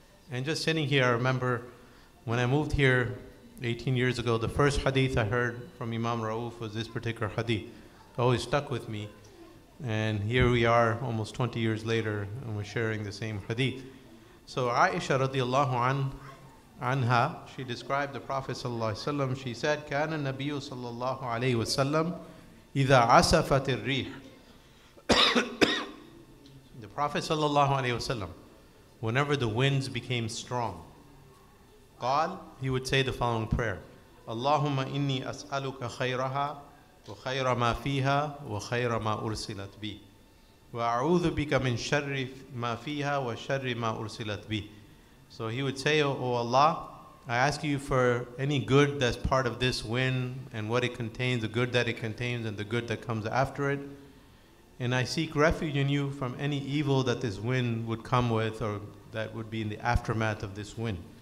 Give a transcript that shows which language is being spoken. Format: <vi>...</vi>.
<en>And just sitting here, I remember when I moved here 18 years ago, the first hadith I heard from Imam Rauf was this particular hadith. It always stuck with me. And here we are almost 20 years later, and we're sharing the same hadith. So Aisha radiallahu anha, she described the Prophet ﷺ. She said,</en> <ar>كان النبي صلى الله عليه وسلم إذا عصفت الريح.</ar> <en>The Prophet sallallahu alaihi wasallam, whenever the winds became strong,</en> <ar>قال,</ar> <en>he would say the following prayer.</en> <ar>اللهم إني أسألك خيرها وخير ما فيها وخير ما أرسلت به وأعوذ بك من شر ما فيها وشر ما أرسلت به.</ar> <en>So he would say, oh Allah, I ask you for any good that's part of this wind and what it contains, the good that it contains and the good that comes after it. And I seek refuge in you from any evil that this wind would come with or that would be in the aftermath of this wind.</en>